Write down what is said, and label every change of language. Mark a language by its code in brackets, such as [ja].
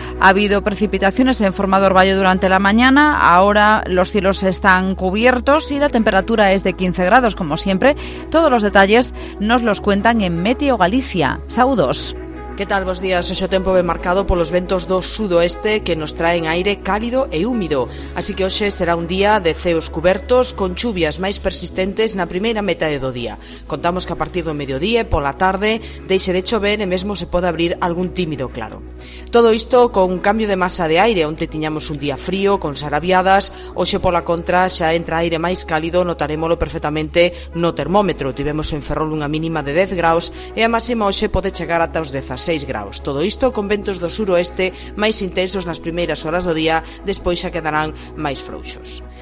[es] Ha habido precipitaciones en forma de orvallo durante la mañana. Ahora los cielos están cubiertos y la temperatura es de 15 grados, como siempre. Todos los detalles nos los cuentan en Meteo Galicia. [gl] Saudos. [es] ¿Qué tal? Buenos días. [gl] Ese tempo ve marcado por los ventos do sudoeste que nos traen aire cálido e húmido. Así que hoxe será un día de ceos cubertos con chuvias máis persistentes na primeira metade do día. Contamos que a partir do mediodía e pola tarde deixe de chover e mesmo se pode abrir algún tímido claro. Todo isto con un cambio de masa de aire. Onte tiñamos un día frío con sarabiadas. Hoxe pola contra xa entra aire máis cálido, notaremoslo perfectamente no termómetro. Tivemos en Ferrol unha mínima de 10 graus e a máxima hoxe pode chegar ata os 16. 6 graus. Todo isto con ventos do suroeste máis intensos nas primeiras horas do día, despois xa quedarán máis frouxos.